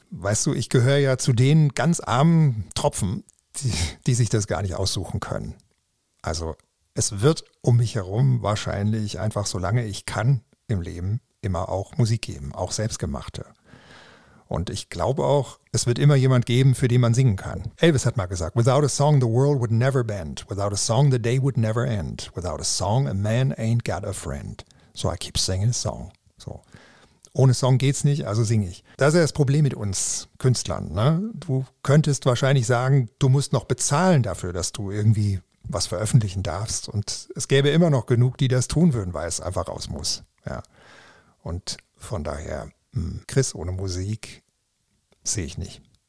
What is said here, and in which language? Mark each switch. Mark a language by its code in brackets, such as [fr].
[de] weißt du, ich gehöre ja zu den ganz armen Tropfen, die sich das gar nicht aussuchen können. Also es wird um mich herum wahrscheinlich einfach, solange ich kann im Leben, immer auch Musik geben, auch selbstgemachte. Und ich glaube auch, es wird immer jemand geben, für den man singen kann. Elvis hat mal gesagt, [en] without a song the world would never bend, without a song the day would never end, without a song a man ain't got a friend, so I keep singing a song. [de] So. Ohne Song geht's nicht, also singe ich. Das ist ja das Problem mit uns Künstlern, ne? Du könntest wahrscheinlich sagen, du musst noch bezahlen dafür, dass du irgendwie was veröffentlichen darfst. Und es gäbe immer noch genug, die das tun würden, weil es einfach raus muss. Ja. Und von daher, Chris ohne Musik sehe ich nicht.